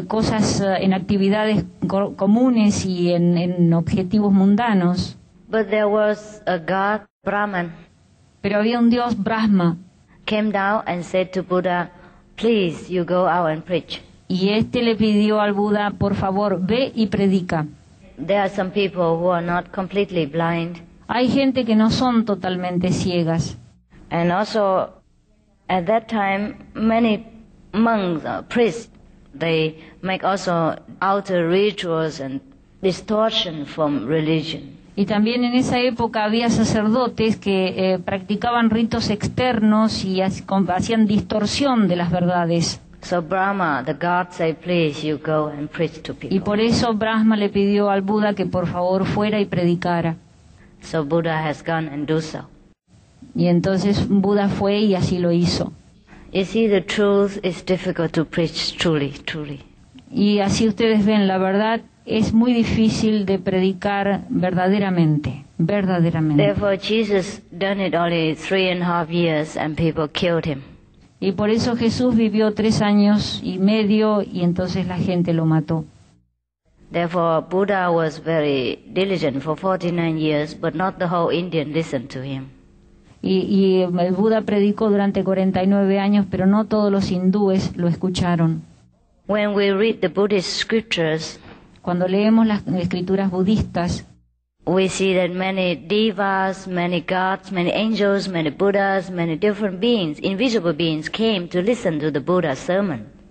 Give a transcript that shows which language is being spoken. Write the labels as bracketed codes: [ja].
[es] La gente crece en actividades comunes y en objetivos mundanos. [en] But there was a god, Brahman. [es] Pero había un dios Brahma. [en] Came down and said to Buddha, "Please, you go out and preach." [es] Y este le pidió al Buda, por favor, ve y predica. [en] There are some people who are not completely blind. [es] Hay gente que no son totalmente ciegas. [en] And also, at that time, many monks, priests, they make also outer rituals and distortion from religion. [es] Y también en esa época había sacerdotes que practicaban ritos externos y hacían distorsión de las verdades. [en] So Brahma, the god, said, "Please, you go and preach to people." [es] Y por eso Brahma le pidió al Buda que por favor fuera y predicara. [en] So Buddha has gone and do so. [es] Y entonces Buda fue y así lo hizo. [en] You see, the truth is difficult to preach truly, truly. [es] Y así ustedes ven, la verdad es muy difícil de predicar verdaderamente, verdaderamente. [en] Therefore, Jesus done it only 3.5 years, and people killed him. [es] Y por eso Jesús vivió 3 años y medio y entonces la gente lo mató. [en] Therefore, Buddha was very diligent for 49 years, but not the whole Indian listened to him. [es] Y el Buda predicó durante 49 años, pero no todos los hindúes lo escucharon. [en] When we read the Buddhist scriptures, [es] cuando leemos las escrituras budistas, [en] we see that many devas, many gods, many angels, many Buddhas, many different beings, invisible beings, came to listen to the Buddha's sermon.